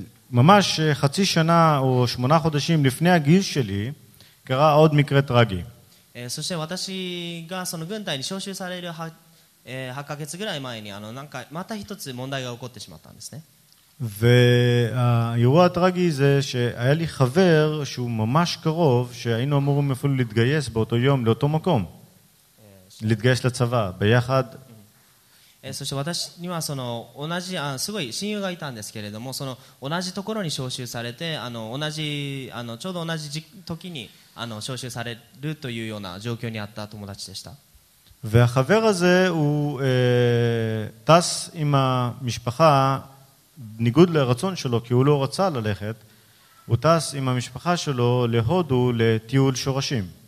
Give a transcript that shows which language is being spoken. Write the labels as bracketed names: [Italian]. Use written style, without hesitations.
[Hebrew] וממש חצי שנה או 8 חודשים לפני הגיוס שלי קרה עוד מקרה טרגי. [Japanese] そして私がその軍隊に招集される8ヶ月ぐらい前に、なんかまた一つ問題が起こってしまったんですね。 [Hebrew] והאירוע הטרגי זה שהיה לי חבר שהוא ממש קרוב שהיינו אמורים אפילו להתגייס באותו יום לאותו מקום להתגייס לצבא ביחד. [Japanese] そして私にはその同じすごい親友がいたんですけれども、その同じところに招集されて、同じちょうど同じ時に招集されるというような状況にあった友達でした。 [Hebrew] והחבר הזה הוא טס עם המשפחה ניגוד לרצון שלו, כי הוא לא רצה ללכת, הוא טס עם המשפחה שלו להודו לטיול שורשים.